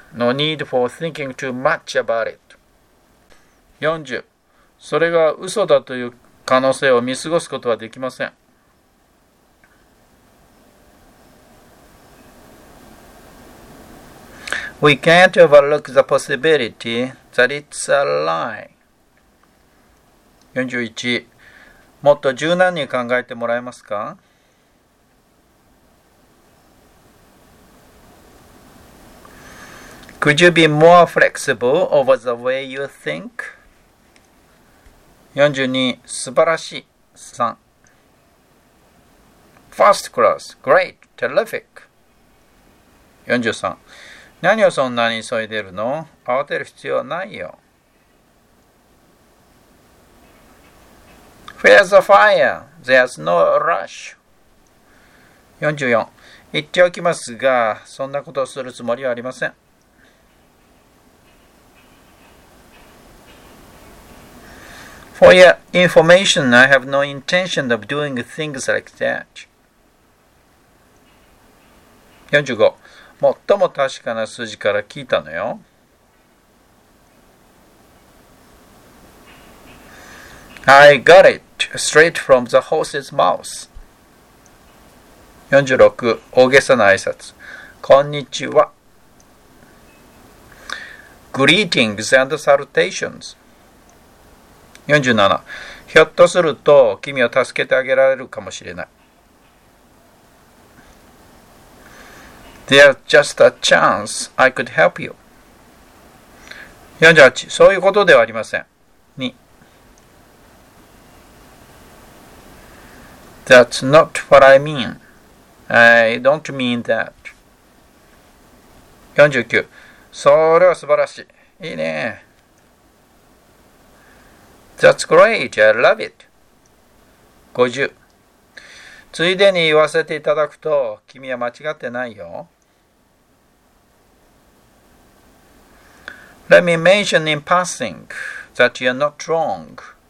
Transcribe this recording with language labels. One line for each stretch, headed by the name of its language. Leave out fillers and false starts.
English: No need for thinking too much about it. 40.
Japanese: それが嘘だという可能性を見過ごすことはできません。
English: We can't overlook the possibility that it's a lie. 41.
Japanese: もっと柔軟に考えてもらえますか?
English: Could you be more flexible over the way you think?
Japanese: 42. 素晴らしい。3.
English: First class. Great. Terrific. 43.
Japanese: 何をそんなに急いでるの?慌てる必要ないよ。
English: Where's the fire? There's no rush. 44.
Japanese: 言っておきますが、そんなことをするつもりはありません。
English: For your information, I have no intention of doing things like that. 45.
Japanese: 最も確かな数字から聞いたのよ。
English: I got it straight from the horse's mouth.
Japanese: 46. 大げさな挨拶。こんにちは。
English: Greetings and salutations. 47.
Japanese: ひょっとすると君を助けてあげられるかもしれない。
English: There's just a chance I could help you. 48.
Japanese: そういうことではありません。
English: That's not what I mean. I don't mean that. 49.
Japanese: それは素晴らしい。いいね。
English: That's great. I love it. 50.
Japanese: ついでに言わせていただくと、君は間違ってないよ。
English: Let me mention in passing that you're not wrong.